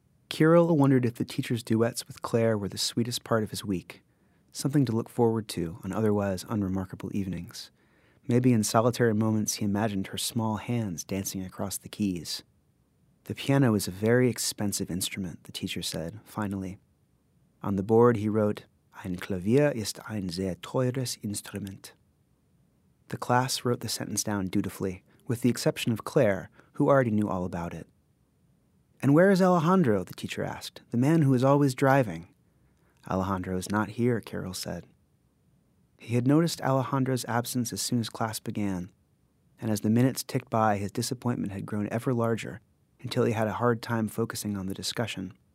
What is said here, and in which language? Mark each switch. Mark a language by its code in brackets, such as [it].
[en] Kirill wondered if the teacher's duets with Claire were the sweetest part of his week, something to look forward to on otherwise unremarkable evenings. Maybe in solitary moments he imagined her small hands dancing across the keys. The piano is a very expensive instrument, the teacher said, finally. On the board he wrote, [de] Ein Klavier ist ein sehr teures Instrument. [en] The class wrote the sentence down dutifully, with the exception of Claire, who already knew all about it. And where is Alejandro? The teacher asked, the man who is always driving. Alejandro is not here, Carol said. He had noticed Alejandro's absence as soon as class began, and as the minutes ticked by, his disappointment had grown ever larger until he had a hard time focusing on the discussion.